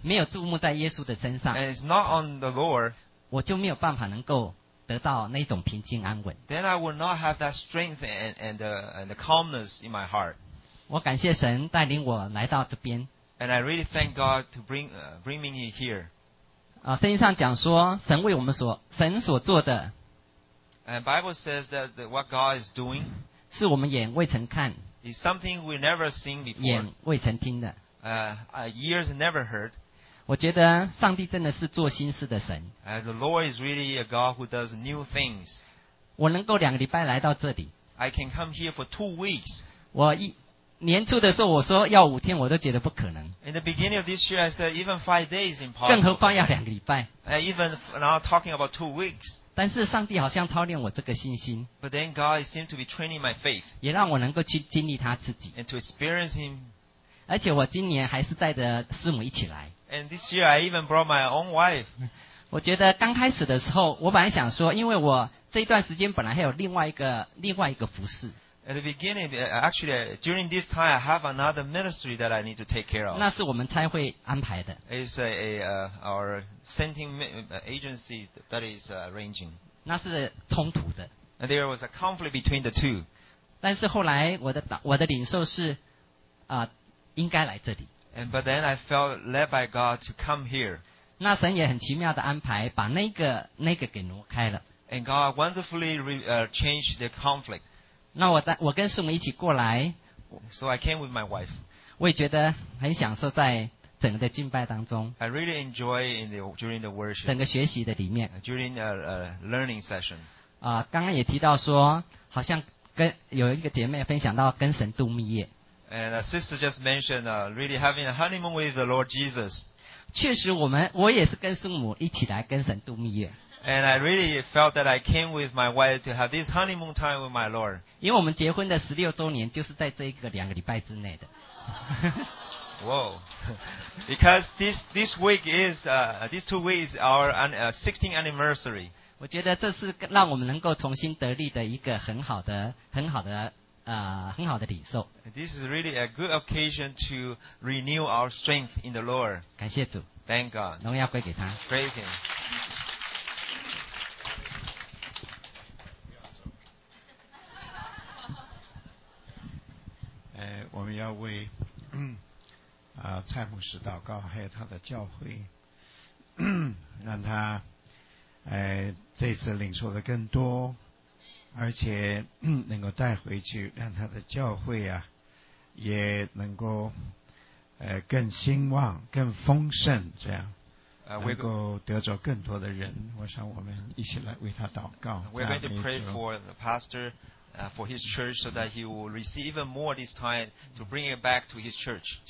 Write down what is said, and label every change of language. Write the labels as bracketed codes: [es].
[zh] 没有注目在耶稣的身上 [en] and it's not on the Lord, [zh] 我就没有办法能够得到那种平静安稳 [en] then I will not have that strength and the calmness in my heart. [zh] 我感谢神带领我来到这边 [en] and I really thank God to bring me here. [zh] 圣经上讲说神为我们神所做的 [en] and Bible says that what God is doing [zh] 是我们眼未曾看 [en] is something we never seen before. [zh] 眼未曾听的 [en] Years never heard. [zh] 我觉得上帝真的是做新事的神。 [en] The Lord is really a God who does new things. [zh] 我能够两个礼拜来到这里。 [en] I can come here for 2 weeks. [zh] 我年初的时候我说要5天我都觉得不可能。 [en] In the beginning of this year, I said even 5 days impossible. [zh] 更何况要两个礼拜。 [en] Even now talking about 2 weeks. [zh] 但是上帝好像操练我这个信心。 [en] But then God seems to be training my faith. [zh] 也让我能够去经历他自己。 [en] And to experience him. [zh] 而且我今年还是带着师母一起来。 [en] And this year I even brought my own wife. [zh] 我觉得刚开始的时候，我本来想说，因为我这一段时间本来还有另外一个服事。 [en] At the beginning, actually, during this time, I have another ministry that I need to take care of. [zh] 那是我们差会安排的。 [en] It's our sending agency that is arranging. [zh] 那是冲突的。 [en] And there was a conflict between the two. [zh] 但是后来我的领受是应该来这里。 [en] And but then I felt led by God to come here. [zh] 那神也很奇妙的安排，把那个给挪开了。 [en] And God wonderfully changed the conflict. [zh] 那我跟师母一起过来 [en] ，so I came with my wife。 [zh] 我也觉得很享受在整个的敬拜当中 [en] ，I really enjoy in the during the worship。 [zh] 整个学习的里面 [en] ，during a learning session。 [zh] 刚刚也提到说，好像跟有一个姐妹分享到跟神度蜜月 [en] ，and a sister just mentioned really having a honeymoon with the Lord Jesus。 [zh] 确实，我也是跟师母一起来跟神度蜜月。 [en] And I really felt that I came with my wife to have this honeymoon time with my Lord. [zh] 因为我们结婚的16周年就是在这个两个礼拜之内的。 [en] Whoa. Because this week is, these 2 weeks are our 16th anniversary. [zh] 我觉得这是让我们能够重新得力的一个很好的领受。 [en] This is really a good occasion to renew our strength in the Lord. [zh] 感谢主。 [en] Thank God. [zh] 荣耀归给他。 [en] Praise Him. [zh] 我们要为蔡牧师祷告，还有他的教会，让他这次领受的更多，而且能够带回去，让他的教会啊也能够更兴旺、更丰盛，这样能够得着更多的人。我想我们一起来为他祷告。 [en] We're going to pray for the pastor. For his church, so that he will receive even more this time to bring it back to his church.